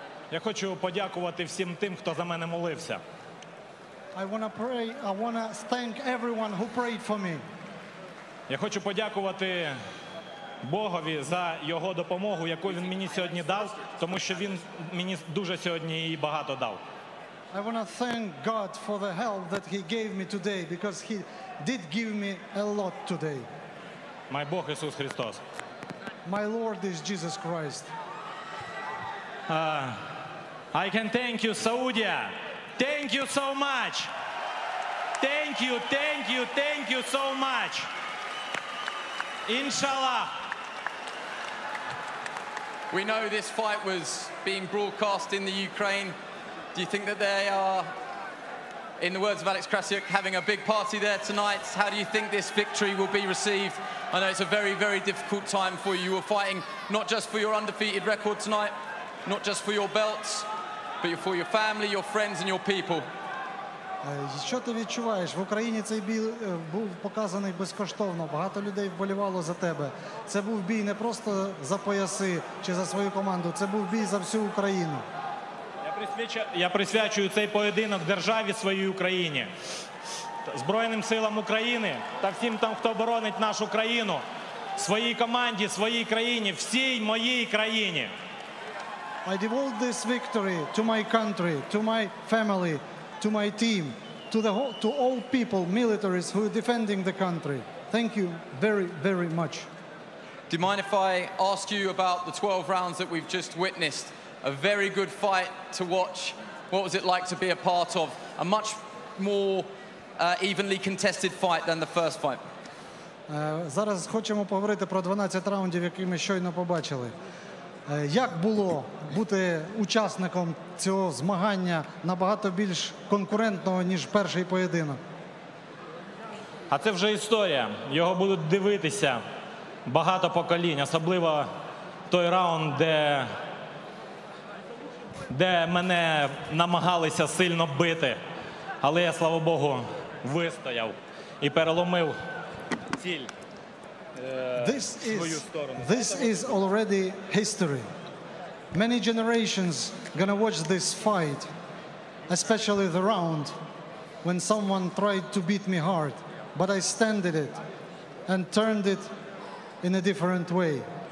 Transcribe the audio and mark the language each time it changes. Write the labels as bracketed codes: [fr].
[uk] Я хочу подякувати всім тим, хто за мене молився. [en] I want to thank everyone who prayed for me. [uk] Я хочу подякувати Богові за його допомогу, яку він мені сьогодні дав, тому що він мені дуже сьогодні її багато дав. [en] I want to thank God for the help that he gave me today, because he did give me a lot today. [uk] Мій Бог Ісус Христос. [en] My Lord is Jesus Christ. I can thank you, Saudi. Thank you so much. Thank you, thank you, thank you so much. Inshallah. We know this fight was being broadcast in the Ukraine. Do you think that they are, in the words of Alex Krasiuk, having a big party there tonight? How do you think this victory will be received? I know it's a very, very difficult time for you. You were fighting not just for your undefeated record tonight, not just for your belts, but for your family, your friends, and your people. [uk] Що ти відчуваєш? В Україні цей бій був показаний безкоштовно. Багато людей вболівало за тебе. Це був бій не просто за пояси чи за свою команду, це був бій за всю Україну. Я присвячую цей поєдинок державі своїй Україні, Збройним силам України та всім там, хто боронить нашу країну, своїй команді, своїй країні, всій моїй країні. [en] I devote this victory to my country, to my family, to my team, to all people, militaries who are defending the country. Thank you very, very much. Do you mind if I ask you about the 12 rounds that we've just witnessed? A very good fight to watch. What was it like to be a part of? A much more evenly contested fight than the first fight. [uk] Зараз хочемо поговорити про 12 раундів, які ми щойно побачили. Як було бути учасником цього змагання набагато більш конкурентного, ніж перший поєдинок? А це вже історія. Його будуть дивитися багато поколінь, особливо той раунд, де мене намагалися сильно бити. Але я, слава Богу, вистояв і переломив ціль. [en] This is already history. Many generations gonna watch this fight, especially the round when someone tried to beat me hard, but I standed it and turned it in a different way.